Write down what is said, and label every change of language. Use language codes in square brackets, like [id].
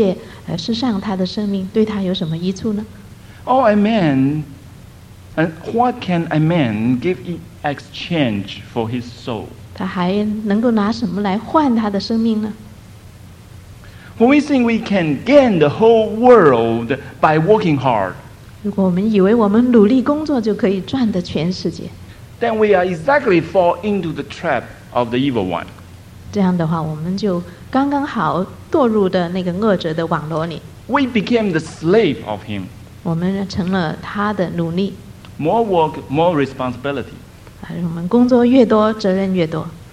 [zh] 耶稣曾经说过，人若赚得全世界，失上他的生命，对他有什么益处呢？ [en] Oh, a man, and what can a man give in exchange for his soul? [zh] 他还能够拿什么来换他的生命呢？ [en] When we think we can gain the whole world by working hard, [zh] 如果我们以为我们努力工作就可以赚得全世界, [en] then we are exactly fall into the trap of the evil one. [zh] 这样的话，我们就刚刚好堕入的那个恶者的网络里。 [en] We became the slave of him. [zh] 我们成了他的奴隶。 [en] More work, more responsibility. [zh] 我们工作越多，责任越多。